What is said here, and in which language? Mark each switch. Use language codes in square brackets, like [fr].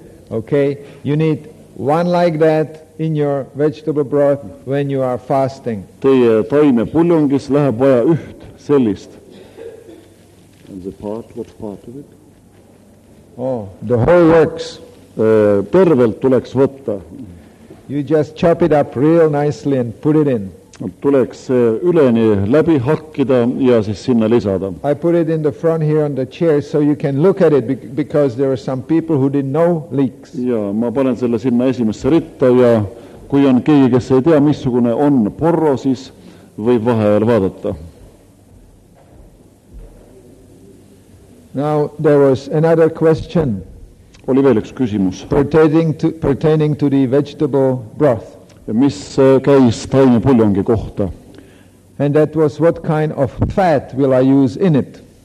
[en] Okay, you need one like that in your vegetable broth when you are fasting. [et] Teie taime puljongis läheb vaja üht sellist. [en] And the part, what part of it? Oh, the whole works. [et] Tervelt tuleks võtta. [en] You just chop it up real nicely and put it in. [et] Tuleks üleni läbi hakkida ja siis sinna lisada. [en] I put it in the front here on the chair so you can look at it because there are some people who didn't know leeks. [et] Ja ma panen selle sinna esimesse ritta ja kui on keegi, kes ei tea, missugune on porro, siis võib vaheajal vaadata. [en] Now there was another question. [et] Oli veel üks küsimus. [en] Pertaining to the vegetable broth. [et] Mis käis taime puljongi kohta? [en] And that was what kind of fat will I use in it?